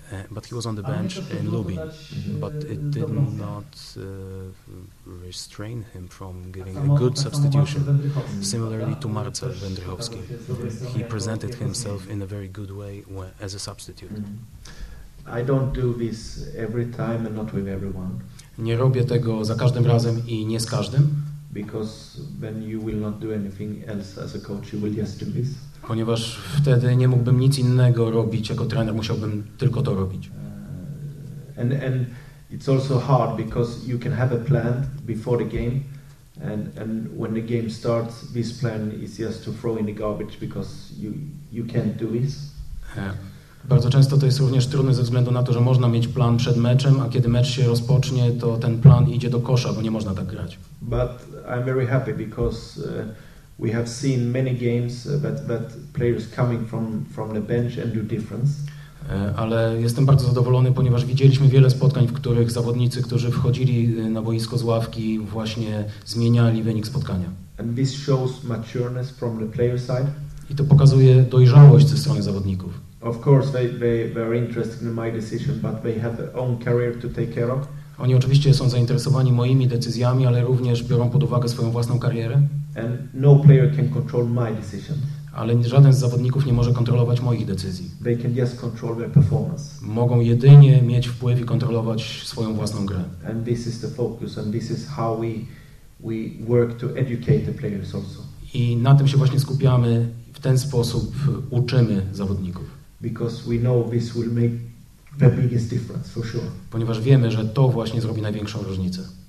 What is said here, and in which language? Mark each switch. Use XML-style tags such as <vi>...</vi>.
<en>But he was on the bench in Lubin, but it did not restrain him from giving a good substitution. Similarly to Marcel Wędrychowski, he presented himself in a very good way as a substitute. I don't do this every time and not with everyone.</en> <pl>Nie robię tego za każdym razem i nie z każdym.</pl> <en>Because when you will not do anything else as a coach, you will just do this.</en> <pl>Ponieważ wtedy nie mógłbym nic innego robić jako trener, musiałbym tylko to robić.</pl> <en>And it's also hard because you can have a plan before the game, and when the game starts, this plan is just to throw in the garbage because you can't do this.</en> <pl>Bardzo często to jest również trudne ze względu na to, że można mieć plan przed meczem, a kiedy mecz się rozpocznie, to ten plan idzie do kosza, bo nie można tak grać.</pl> <en>But I'm very happy because we have seen many games that players coming from the bench and do difference.</en> <pl>Ale jestem bardzo zadowolony, ponieważ widzieliśmy wiele spotkań, w których zawodnicy, którzy wchodzili na boisko z ławki, właśnie zmieniali wynik spotkania.</pl> <en>And this shows matureness from the player side.</en> <pl>I to pokazuje dojrzałość ze strony zawodników.</pl> <en>Of course they are interested in my decision, but they have their own career to take care of.</en> <pl>Oni oczywiście są zainteresowani moimi decyzjami, ale również biorą pod uwagę swoją własną karierę.</pl> <en>And no player can control my decision.</en> <pl>Ale żaden z zawodników nie może kontrolować moich decyzji.</pl> <en>They can just control their performance.</en> <pl>Mogą jedynie mieć wpływ i kontrolować swoją własną grę.</pl> <en>And this is the focus, and this is how we work to educate the players also.</en> <pl>I na tym się właśnie skupiamy, w ten sposób uczymy zawodników.</pl> <en>Because we know this will make the biggest difference, for sure.</en> <pl>Ponieważ wiemy, że to właśnie zrobi największą różnicę.</pl>